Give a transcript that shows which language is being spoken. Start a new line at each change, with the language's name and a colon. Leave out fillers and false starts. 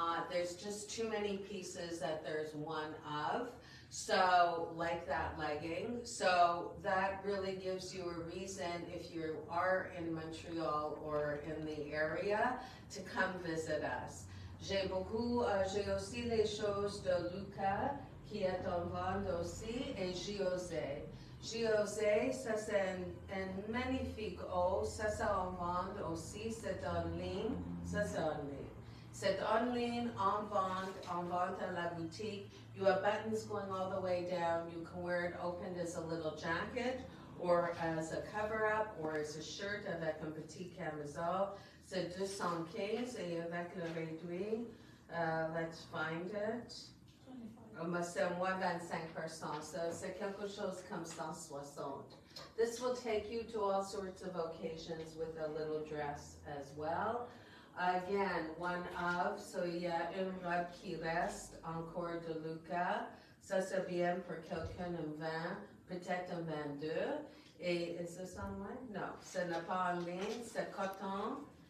English: There's just too many pieces that there's one of. So, like that legging. So, that really gives you a reason if you are in Montreal or in the area to come visit us.
French: J'ai beaucoup, j'ai aussi les choses de Luca qui est en vente aussi et José, ça c'est un magnifique haut, ça c'est en vente aussi, c'est en ligne, ça c'est en ligne. C'est en ligne, en vente à la boutique.
English: You have buttons going all the way down. You can wear it opened as a little jacket or as a cover-up or as a shirt
French: avec un petit camisole. C'est 215 et avec le réduit,
English: let's find it.
French: C'est moins 25%, so c'est quelque chose comme 160.
English: This will take you to all sorts of occasions with a little dress as well. Again, one of, so
French: il y a une robe qui reste encore de Luca. Ça, c'est bien pour quelqu'un, un 20, peut-être un 22. Et
English: is this online? No,
French: ce n'est pas en ligne, c'est coton.